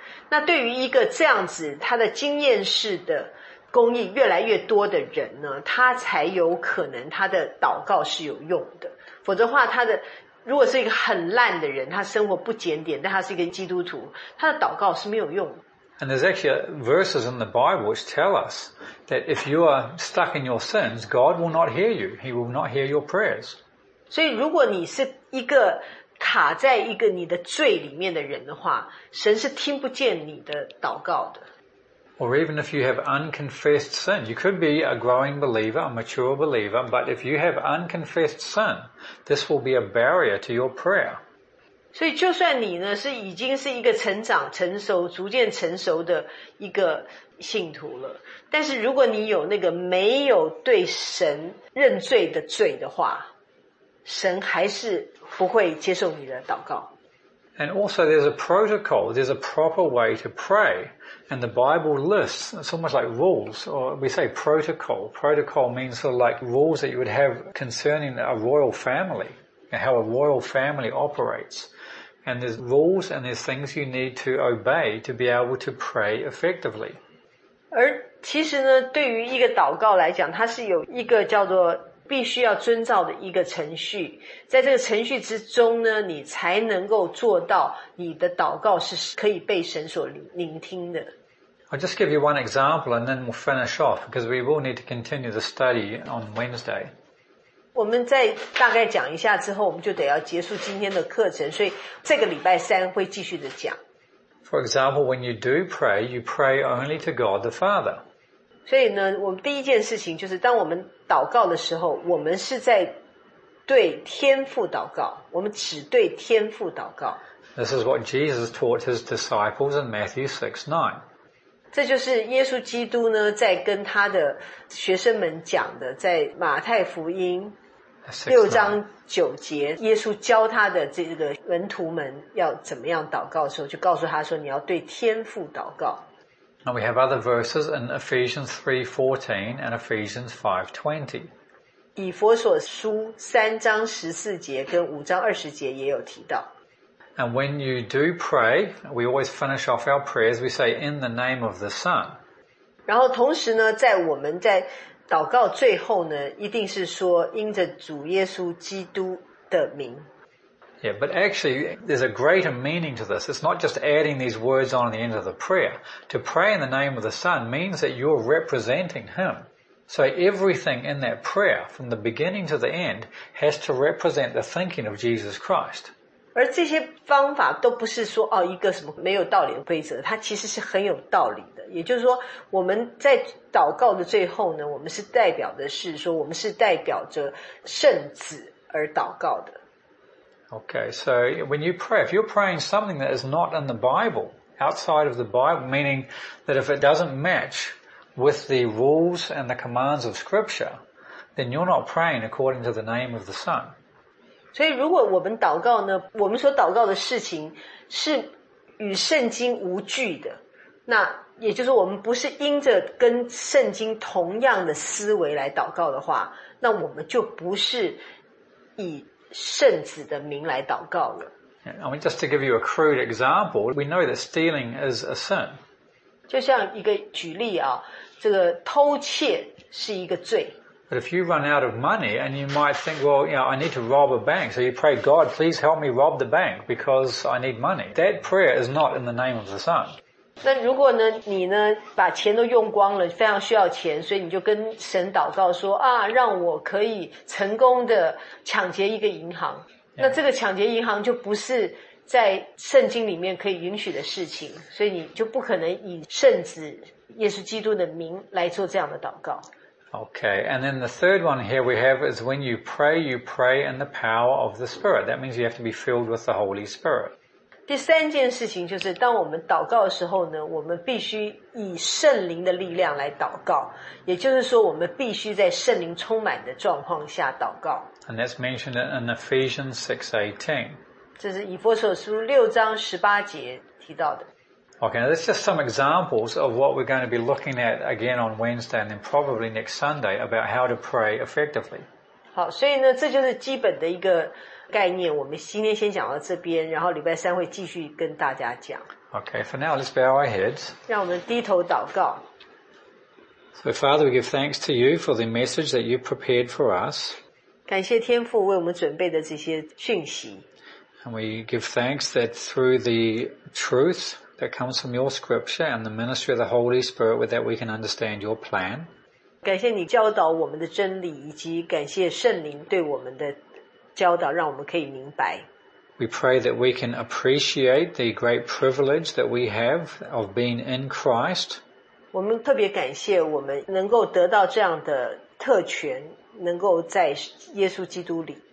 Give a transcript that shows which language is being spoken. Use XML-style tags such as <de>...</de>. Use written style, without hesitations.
<zh>那对于一个这样子，他的经验式的公义越来越多的人呢，他才有可能他的祷告是有用的。否则的话，他的如果是一个很烂的人，他生活不检点，但他是一个基督徒，他的祷告是没有用的。</zh> <en>And there's actually verses in the Bible which tell us that if you are stuck in your sins, God will not hear you. He will not hear your prayers.</en> <zh>所以如果你是一个卡在一个你的罪里面的人的话，神是听不见你的祷告的。</zh> <en>Or even if you have unconfessed sin, you could be a growing believer, a mature believer, but if you have unconfessed sin, this will be a barrier to your prayer.</en> <zh>所以就算你呢是已经是一个成长、成熟、逐渐成熟的一个信徒了，但是如果你有那个没有对神认罪的罪的话，神还是不会接受你的祷告。</zh> <en>And also there's a protocol, there's a proper way to pray. And the Bible lists, it's almost like rules, or we say protocol. Protocol means sort of like rules that you would have concerning a royal family, and how a royal family operates. And there's rules and there's things you need to obey to be able to pray effectively.</en> <zh>而其实呢，对于一个祷告来讲，它是有一个叫做必须要遵照的一个程序，在这个程序之中呢，你才能够做到你的祷告是可以被神所聆听的。</zh> <en>I'll just give you one example and then we'll finish off because we will need to continue the study on Wednesday.</en> <zh>我们再大概讲一下之后，我们就得要结束今天的课程，所以这个礼拜三会继续的讲。</zh> <en>For example, when you do pray, you pray only to God the Father.</en> <zh>所以呢，我们第一件事情就是，当我们祷告的时候，我们是在对天父祷告，我们只对天父祷告。</zh> <en>This is what Jesus taught his disciples in Matthew 6:9.</en> <zh>这就是耶稣基督呢，在跟他的学生们讲的，在马太福音六章九节，耶稣教他的这个门徒们要怎么样祷告的时候，就告诉他说，你要对天父祷告。</zh> <en>And we have other verses in Ephesians 3:14 and Ephesians 5:20.</en> <zh>以弗所书三章十四节跟五章二十节也有提到。</zh> <en>And when you do pray, we always finish off our prayers, we say, in the name of the Son.</en> <zh>然后同时呢，在我们在祷告最后呢，一定是说因着主耶稣基督的名。</zh> <en>Yeah, but actually, there's a greater meaning to this. It's not just adding these words on at the end of the prayer. To pray in the name of the Son means that you're representing Him. So everything in that prayer, from the beginning to the end, has to represent the thinking of Jesus Christ.</en> <zh>而这些方法都不是说、哦、一个什么没有道理的规则，它其实是很有道理的。也就是说，我们在祷告的最后呢，我们是代表的是说，我们是代表着圣子而祷告的。</zh> <en>Okay, so when you pray, if you're praying something that is not in the Bible, outside of the Bible, meaning that if it doesn't match with the rules and the commands of Scripture, then you're not praying according to the name of the Son.</en> <zh>所以如果我们祷告呢，我们所祷告的事情是与圣经无据的，那也就是我们不是因着跟圣经同样的思维来祷告的话，那我们就不是以圣子的名来祷告了。</zh> <en>I mean, just to give you a crude example, we know that stealing is a sin.</en> <zh>就像一个举例啊，这个偷窃是一个罪。</zh> <en>But if you run out of money and you might think, well, you know, I need to rob a bank, so you pray, God, please help me rob the bank because I need money. That prayer is not in the name of the Son.</en> <zh>那如果呢，你呢把钱都用光了，非常需要钱，所以你就跟神祷告说啊，让我可以成功的抢劫一个银行。那这个抢劫银行就不是在圣经里面可以允许的事情，所以你就不可能以圣子耶稣基督的名来做这样的祷告。</zh> <en>Okay, and then the third one here we have is when you pray in the power of the Spirit. That means you have to be filled with the Holy Spirit.</en> <zh>第三件事情就是当我们祷告的时候呢，我们必须以圣灵的力量来祷告，也就是说我们必须在圣灵充满的状况下祷告。</zh> <en>And that's mentioned in Ephesians 6:18.</en> <zh>这是以弗所书六章十八节提到的。</zh> <en>Okay, now that's just some examples of what we're going to be looking at again on Wednesday and then probably next Sunday about how to pray effectively.</en> <zh>好，所以呢，这就是基本的一个概念。我们今天先讲到这边，然后礼拜三会继续跟大家讲。</zh> <en>Okay, for now, let's bow our heads.</en> <zh>让我们低头祷告。</zh> <en>So, Father, we give thanks to you for the message that you prepared for us.</en> <zh>感谢天父为我们准备的这些讯息。</zh> <en>And we give thanks that through the truth,that comes from your scripture and the ministry of the Holy Spirit with that we can understand your plan.</en> <zh>感谢你教导我们的真理以及感谢圣灵对我们的教导让我们可以明白。</zh> <en>We pray that we can appreciate the great privilege that we have of being in Christ.</en> <zh>我们特别感谢我们能够得到这样的特权能够在耶稣基督里。</zh>